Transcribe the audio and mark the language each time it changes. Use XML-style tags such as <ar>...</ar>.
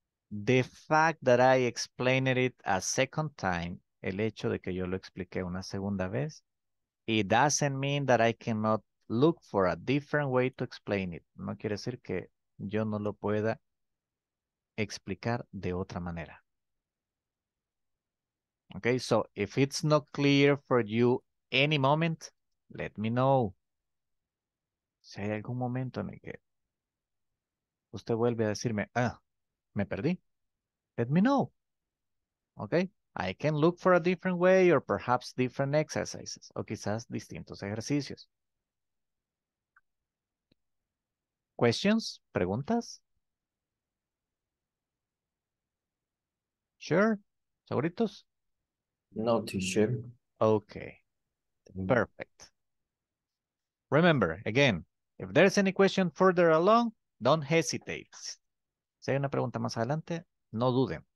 <en>The fact that I explained it a second time,</en> <es>el hecho de que yo lo expliqué una segunda vez,</es> <en>it doesn't mean that I cannot look for a different way to explain it.</en> <es>No quiere decir que yo no lo pueda explicar de otra manera.</es> <en>Okay, so if it's not clear for you any moment, let me know.</en> <es>Si hay algún momento en el que usted vuelve a decirme, ah, me perdí,</es> <en>let me know. Okay, I can look for a different way or perhaps different exercises</en> <es>o quizás distintos ejercicios.</es> <en>Questions?</en> <es>Preguntas?</es> <en>Sure.</en> <es>Seguritos?</es> <en>No, teacher. Okay. Perfect. Remember, again, if there's any question further along, don't hesitate.</en> <es>Si hay una pregunta más adelante, no duden.</es>